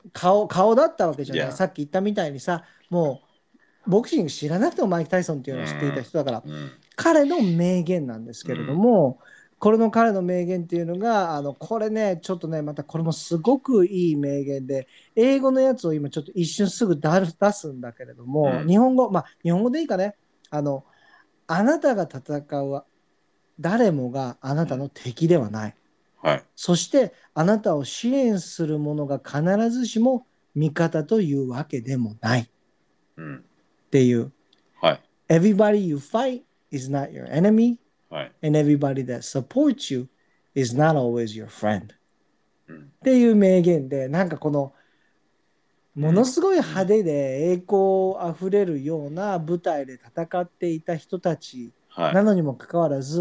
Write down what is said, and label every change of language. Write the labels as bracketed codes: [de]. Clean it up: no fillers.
[ja] ね、顔だったわけじゃない、さっき言ったみたいにさ、もうボクシング知らなくてもマイク・タイソンっていうのを知っていた人だから、彼の名言なんですけれども、これの彼の名言っていうのが、あのこれねちょっとね、またこれもすごくいい名言で、英語のやつを今ちょっと一瞬すぐ出すんだけれども、日本語、まあ日本語でいいかね、あのあなたが戦うは誰もがあなたの敵ではない、はい、そしてあなたを支援する者が必ずしも味方というわけでもない、っていう、はい、 [en] Everybody you fight is not your enemy、 [ja] はい、 [en] and everybody that supports you is not always your friend、 [ja] っていう名言で、なんかこのものすごい派手で栄光あふれるような舞台で戦っていた人たちなのにもかかわらず、